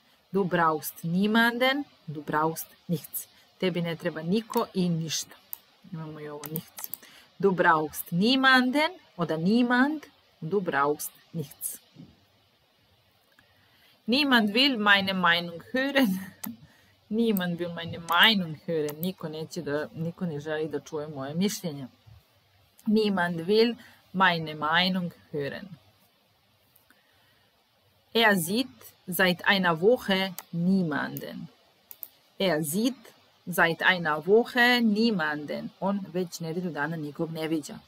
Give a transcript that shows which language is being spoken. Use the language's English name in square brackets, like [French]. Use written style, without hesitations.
[German] Du brauchst niemanden, du brauchst nichts. [Serbian] Tebi ne treba niko i ništa. Imamo i ovo nichts. [German] Du brauchst niemanden oder niemand, du brauchst nichts. Niemand will meine Meinung hören. Niemand will meine Meinung hören. [Serbian] Niko ne želi da čuje moje mišljenje. [German] Niemand will meine Meinung hören. Sieht seit einer Woche niemanden. Sieht seit einer Woche niemanden. [Serbian] On već nedelju dana nikog ne viđa.